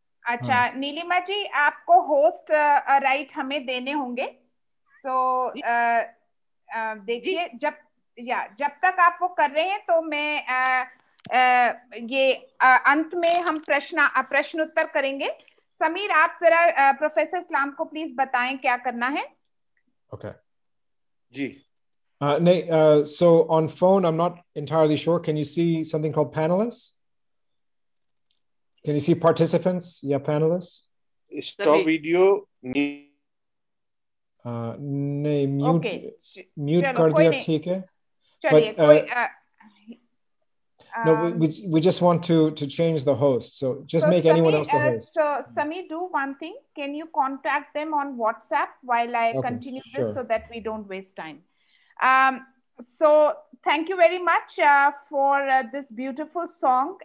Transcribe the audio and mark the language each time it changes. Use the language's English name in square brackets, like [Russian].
[Hindi] Acha, Neelima ji, aapko host right hame dene honge. So, dekhiye, jab tak aap wo kar rahe hain, to main ये अंत में हम प्रश्न उत्तर करेंगे। समीर, आप जरा प्रोफेसर इस्लाम को प्लीज बताएं क्या करना है। [English] okay [Hindi] जी। नहीं, [English] So on phone I am not entirely sure, can you see something called panelist, can you see participants या panelist? Stop video. [Hindi] नहीं, म्यूट म्यूट कर दिया, ठीक है। [English] No, we just want to change the host. So just so make Sami, anyone else the host. So Sami, do one thing. Can you contact them on WhatsApp while I continue this so that we don't waste time? So thank you very much for this beautiful song.